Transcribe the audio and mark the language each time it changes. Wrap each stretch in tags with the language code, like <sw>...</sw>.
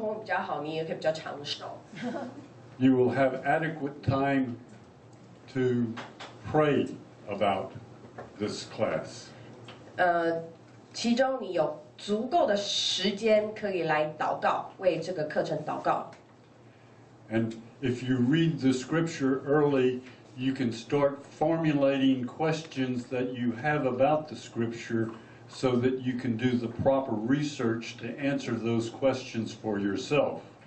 <zh>第一件事情就是呢，因为你没有那么多压力，所以你心脏承受压力没有那么大，所以呢，你的心脏状况比较好，你也可以比较长寿。</zh> <en>You will have adequate time to pray about this class.</en> <zh>其中你有足够的时间可以来祷告，为这个课程祷告。</zh> <en>And if you read the scripture early, you can start formulating questions that you have about the scripture so that you can do the proper research to answer those questions for yourself.</en>